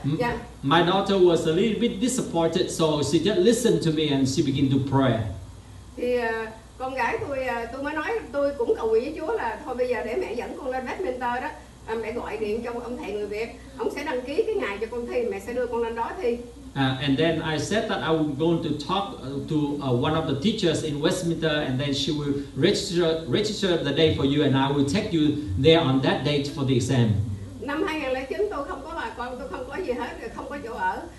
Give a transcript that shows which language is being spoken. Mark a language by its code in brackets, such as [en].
[en] Yeah. My daughter was a little bit disappointed, so she just listened to me and she began to pray. [vi] Thì con gái tôi mới nói tôi cũng cầu nguyện với Chúa là thôi bây giờ để mẹ dẫn con lên badminton đó. Mẹ gọi điện cho ông thầy người Việt, ông sẽ đăng ký cái ngày cho con thi, mẹ sẽ đưa con lên đó thi. [en] And then I said that I was going to talk to one of the teachers in Westminster and then she will register the day for you and I will take you there on that date for the exam. [vi] Năm 2009 tôi không có bà con, tôi không có gì hết, không có chỗ ở.